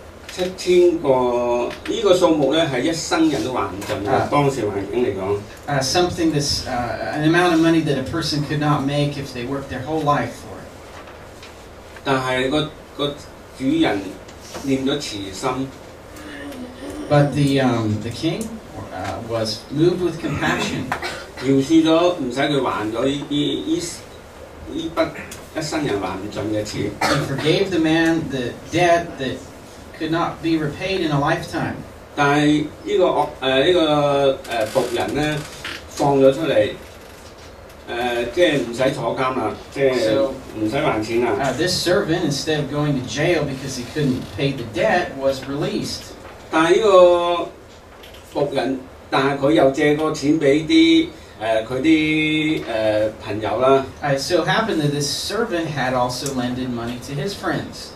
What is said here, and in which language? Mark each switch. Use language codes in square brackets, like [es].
[yue] 7,000 个，这个数目呢，是一生人都还不尽的，当时环境来讲。 [en] Something that's an amount of money that a person could not make if they worked their whole life for. [yue] 但是个主人念咗慈心 [en] ，but the king was moved with compassion， [yue] 饶恕咗唔使佢还咗呢笔一生人还唔尽嘅钱。 [en] He forgave the man the debt that could not be repaid in a lifetime。 [yue] 但系呢个仆人咧放咗出嚟。即係唔使坐監啦，即係唔使還錢啦。 [en] This servant, instead of going to jail because he couldn't pay the debt, was released. [yue] 但係呢個仆人，但係佢又借個錢俾啲佢啲朋友啦。 [en] So it happened that this servant had also lended money to his friends.